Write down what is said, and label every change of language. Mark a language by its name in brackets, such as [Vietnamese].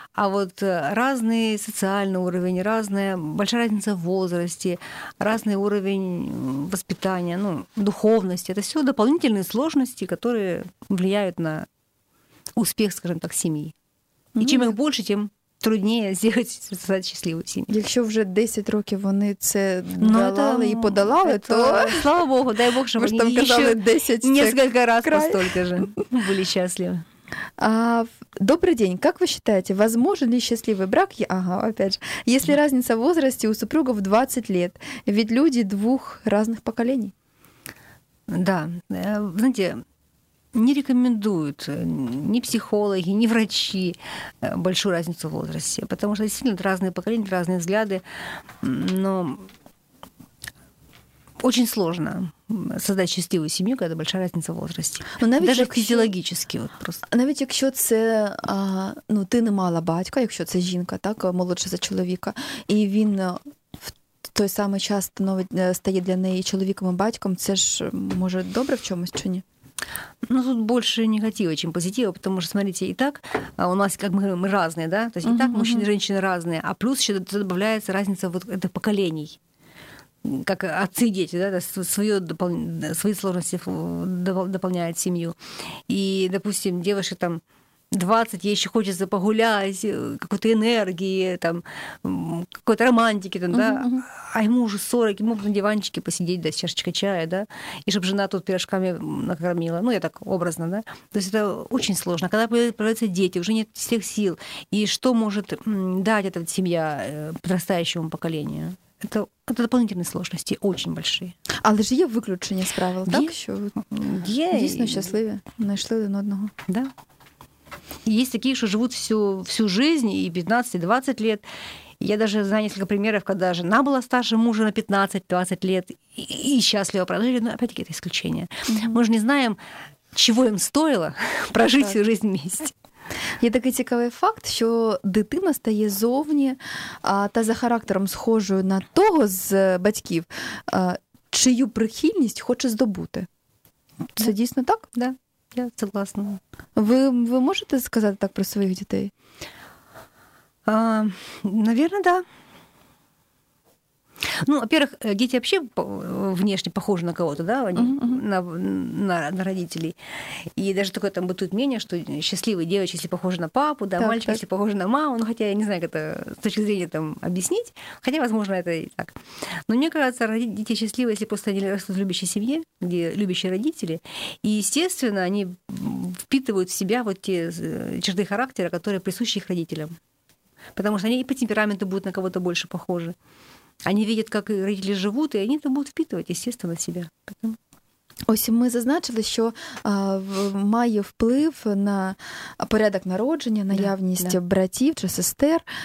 [Ukrainian] А от різний соціальний рівень, різна велика різниця в возрасті, різний рівень виховання, ну, духовності, це все дополнительні складності, які впливають на успіх, скажімо так, сім'ї. І чим їх більше, тим [Russian] труднее сделать [Ukrainian] щасливу сім'ю. Якщо вже 10 років вони це давали і подолали, то... Слава Богу, дай Бог, щоб вони ще [Russian] несколько раз [Ukrainian] постільки ж були щасливі. [Russian] Добрый день. Как вы считаете, возможен ли счастливый брак? Ага, опять же. Есть ли разница в возрасте у супругов 20 лет? Ведь люди двух разных поколений. Да. Знаете, не рекомендуют ни психологи, ни врачи большую разницу в возрасте. Потому что действительно разные поколения, разные взгляды. Но очень сложно создать счастливую [Ukrainian] сім'ю, коли [Russian] большая разниця в возрасті. Ну, навіть даже якщо... [Ukrainian] фізіологічно, от просто. Навіть якщо це, ну, ти не мала батька, якщо це жінка, так, молодша за чоловіка, і він в той самий час стає для неї чоловіком і батьком, це ж може добре в чомусь чи ні? [Russian] Ну, тут больше негатива, чем позитива, потому что, смотрите, и так у нас, как мы говорим, мы разные, да? То есть и так мужчины и женщины разные, а плюс ещё добавляется разница вот этих поколений. Как отцы и дети, да, свое свои сложности дополняют семью. И, допустим, девушке там 20, ей еще хочется погулять, какой-то энергии, там, какой-то романтики, там, да. А ему уже 40, ему на диванчике посидеть, да, с чашечкой чая, да, и чтобы жена тут пирожками накормила. Ну, я так образно, да. То есть это очень сложно. Когда появляются дети, уже нет всех сил. И что может дать эта семья подрастающему поколению? [Ukrainian] Це дополнительні складності, дуже великі. Але ж є виключення з правил, так? Що є. Дійсно щасливі, знайшли один одного. [Russian] Да. [Ukrainian] Є такі, що живуть всю життя, і 15, і 20 [Russian] лет. Я даже знаю несколько примеров, когда жена была старше мужа на 15-20 лет и счастливо прожили. Но опять-таки это исключение. Мы же не знаем, чего им стоило прожить всю жизнь вместе. [Ukrainian] Є такий цікавий факт, що дитина стає зовні та за характером схожою на того з батьків, чию прихильність хоче здобути. Це дійсно так? [Russian] Да, я согласна. [Ukrainian] Ви можете сказати так про своїх дітей? [Russian] Наверное, да. Ну, во-первых, дети вообще внешне похожи на кого-то, да, они, на родителей. И даже такое там бытует мнение, что счастливые девочки, если похожи на папу, да, так, мальчик, так. Если похожи на маму, ну, хотя я не знаю, как это с точки зрения там объяснить, хотя, возможно, это и так. Но мне кажется, дети счастливы, если просто они растут в любящей семье, где любящие родители, и, естественно, они впитывают в себя вот те черты характера, которые присущи их родителям. Потому что они и по темпераменту будут на кого-то больше похожи. Они видят, как родители живут, и они это будут впитывать, естественно, в себя. [Ukrainian] Ось ми зазначили, що має вплив на порядок народження, наявність братів чи сестер.